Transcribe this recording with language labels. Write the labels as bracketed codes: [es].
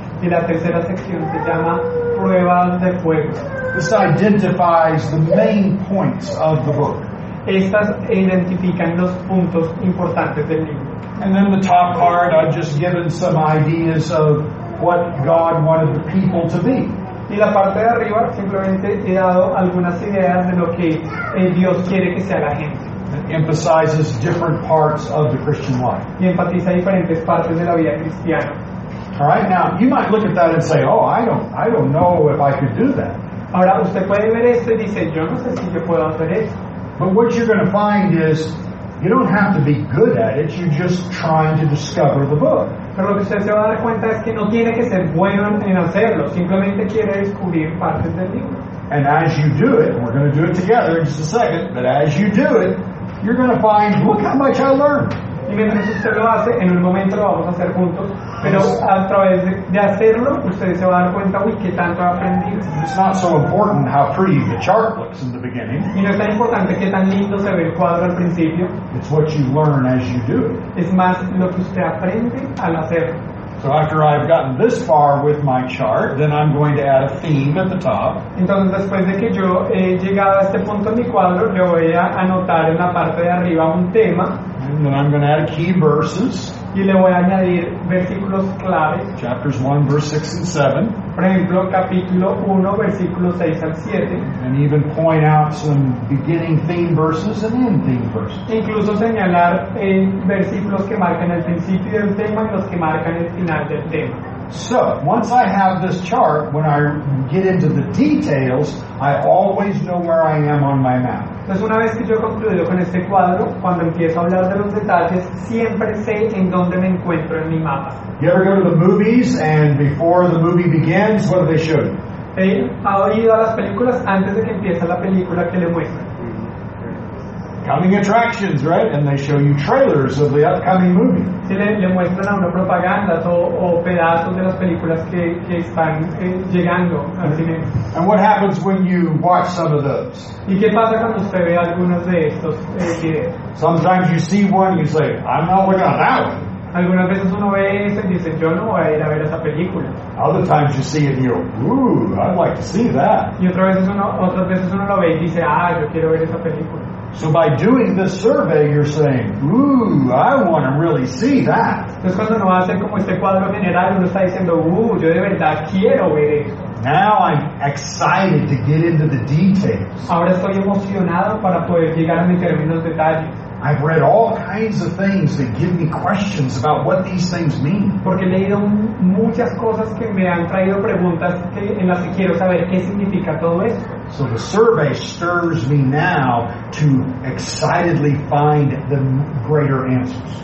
[es] Y la tercera sección se llama Pruebas de Fuego. [en] This identifies the main points of the book. [es] Estas identifican los puntos importantes del libro. [en] And then the top part, I've just given some ideas of what God wanted the people to be. [es] Y la parte de arriba, simplemente he dado algunas ideas de lo que Dios quiere que sea la gente. [en] It emphasizes different parts of the Christian life. [es] Y enfatiza diferentes partes de la vida cristiana. [en] All right, now, you might look at that and say, oh, I don't know if I could do that. [es] Ahora, usted puede ver esto y dice, yo no sé si yo puedo hacer esto. [en] But what you're going to find is, you don't have to be good at it, you're just trying to discover the book. [es] Pero lo que usted se va a dar cuenta es que no tiene que ser bueno en hacerlo, simplemente quiere descubrir partes del libro. [en] And as you do it, we're going to do it together in just a second, but as you do it, you're going to find, look how much I learned. [es] Y mientras usted lo hace, en un momento lo vamos a hacer juntos. Pero a través de hacerlo, usted se va a dar cuenta, uy, qué tanto ha aprendido. [en] It's not so important how pretty the chart looks in the beginning. [es] Y no es tan importante qué tan lindo se ve el cuadro al principio. [en] It's what you learn as you do it. [es] Es más lo que usted aprende al hacerlo. [en] So after I've gotten this far with my chart, then I'm going to add a theme at the top. [es] Entonces después de que yo he llegado a este punto en mi cuadro, le voy a anotar en la parte de arriba un tema. [en] And then I'm going to add key verses. [es] Y le voy a añadir versículos clave. [en] Chapters 1, verse 6 and 7. [es] Por ejemplo, capítulo 1, versículos 6 al 7. [en] And even point out some beginning theme verses and end theme verses. [es] Incluso señalar versículos que marcan el principio del tema y los que marcan el final del tema. [en] So, once I have this chart, when I get into the details, I always know where I am on my map. [es] Entonces, una vez que yo concluyo con este cuadro, cuando empiezo a hablar de los detalles, siempre sé en dónde me encuentro en mi mapa. [en] You ever go to the movies, and before the movie begins, what do they show you? [es] ¿Ha oído a las películas antes de que empiece la película que le muestran? [en] Coming attractions, right? And they show you trailers of the upcoming movie. [es] Sí, le muestran a uno propagandas o pedazos de las películas que están llegando al cine. [en] And what happens when you watch some of those? [es] ¿Y qué pasa cuando usted ve algunos de estos videos? [en] Sometimes you see one, you say, I'm not looking at that one. [es] Algunas veces uno ve ese y dice, yo no voy a ir a ver esa película. [en] Other times you see it and you go, ooh, I'd like to see that. [es] Y otras veces uno lo ve y dice, ah, yo quiero ver esa película. [en] So by doing this survey, you're saying, ooh, I want to really see that. [es] Entonces cuando uno hace como este cuadro general, uno está diciendo, ooh, yo de verdad quiero ver eso. [en] Now I'm excited to get into the details. [es] Ahora estoy emocionado para poder llegar a meterme en los detalles. [en] I've read all kinds of things that give me questions about what these things mean. [es] Porque he leído muchas cosas que me han traído preguntas en las que quiero saber qué significa todo esto. [en] So the survey stirs me now to excitedly find the greater answers.